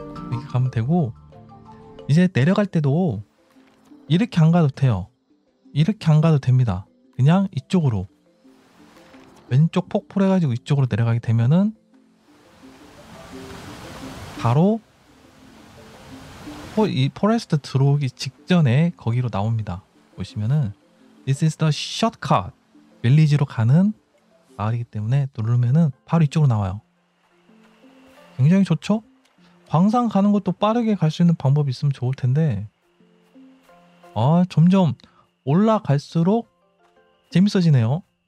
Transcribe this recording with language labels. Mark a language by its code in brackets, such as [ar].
[ko] 이렇게 가면 되고, 이제 내려갈 때도 이렇게 안 가도 돼요. 이렇게 안 가도 됩니다. 그냥 이쪽으로 왼쪽 폭포를 해가지고 이쪽으로 내려가게 되면은 바로 이 포레스트 들어오기 직전에 거기로 나옵니다. 보시면은 [en] This is the shortcut. [ko] 밀리지로 가는 마을이기 때문에 누르면은 바로 이쪽으로 나와요. 굉장히 좋죠? 광산 가는 것도 빠르게 갈수 있는 방법이 있으면 좋을 텐데. 아, 점점 올라갈수록 재밌어지네요.